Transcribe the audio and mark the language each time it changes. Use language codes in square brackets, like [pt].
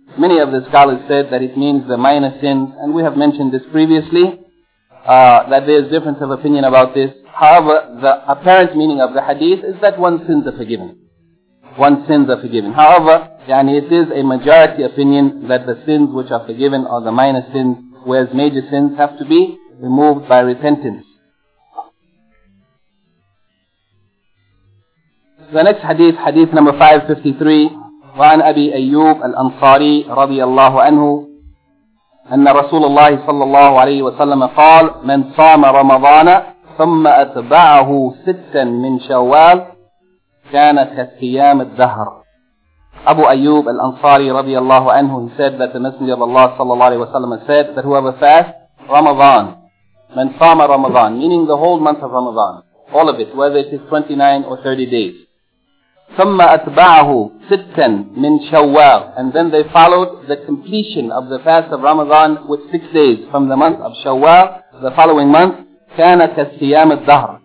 [en] Many of the scholars said that it means the minor sins, and we have mentioned this previously, that there is difference of opinion about this. However, the apparent meaning of the hadith is that one's sins are forgiven. one's sins are forgiven. However, yani it is a majority opinion that the sins which are forgiven are the minor sins, whereas major sins have to be removed by repentance. The next hadith, hadith number 553, [ar] وعن أبي أيوب الأنصاري رضي الله عنه أن رسول الله صلى الله عليه وسلم قال من صام رمضان ثم أتبعه ستا من شوال كانت كالصيام الدهر. [en] Abu Ayyub al-Ansari radiallahu anhu, he said that the Messenger of Allah sallallahu alayhi wa sallam said that whoever fast Ramadan, [ar] man sama Ramadan, [en] meaning the whole month of Ramadan, all of it, whether it is 29 or 30 days. [ar] ثم أتبعه ستاً من شوال. [en] And then they followed the completion of the fast of Ramadan with 6 days from the month of Shawwal, the following month, [ar] كانت كالصيام الدهر.